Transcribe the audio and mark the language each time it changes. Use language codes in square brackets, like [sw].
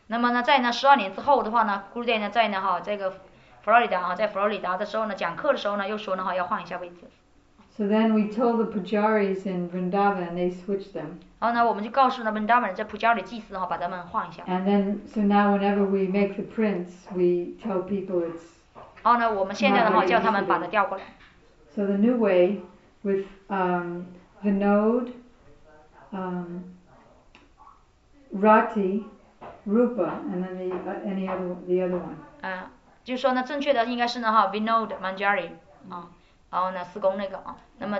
[zh] 那么呢，在那十二年之后的话呢 ，Gurudev 呢在呢哈这个佛罗里达啊，在佛罗里达的时候呢，讲课的时候呢，又说呢哈要换一下位置。 [en] So then we told the pujaris in Vrindavan, they switched them. [zh] 然后呢，我们就告诉了 Vrindavan 在 pujari 祭司哈，把他们换一下。 [en] And then, so now whenever we make the prints, we tell people it's. [zh] 然后呢，我们现在的话叫他们把它调过来。 [en] So the new way with Vinod. Rati, Rupa, and then the other one. [zh] 就是说呢，正确的应该是呢哈 ，Vinod Manjari， 然后呢，四公那个啊，那么